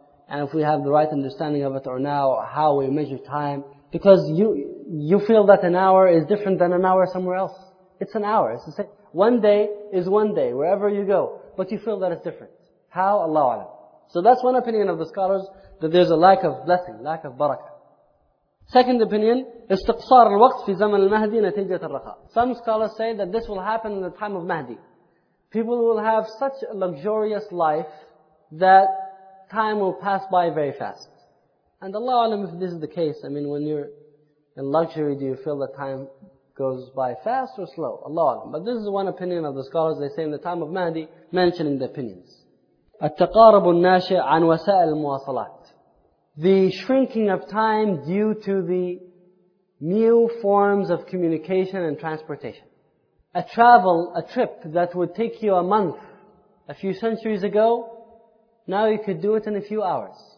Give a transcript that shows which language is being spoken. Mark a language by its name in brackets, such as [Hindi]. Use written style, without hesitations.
[English] And if we have the right understanding of it or now, or how we measure time. Because you feel that an hour is different than an hour somewhere else. It's an hour. It's the same. One day is one day, wherever you go. But you feel that it's different. How? Allahu A'lam. So that's one opinion of the scholars, that there's a lack of blessing, lack of barakah. Second opinion, [Arabic] استقصار الوقت في زمن المهدي نتيجة الرخاء. [English] Some scholars say that this will happen in the time of Mahdi. People will have such a luxurious life that time will pass by very fast. And Allahu A'lam, if this is the case, I mean, when you're in luxury, do you feel that time goes by fast or slow? Allahu A'lam. But this is one opinion of the scholars. They say in the time of Mahdi, mentioning the opinions. [Arabic] التقارب الناشئ عن وسائل المواصلات. [English] The shrinking of time due to the new forms of communication and transportation. A trip that would take you a month a few centuries ago, now you could do it in a few hours.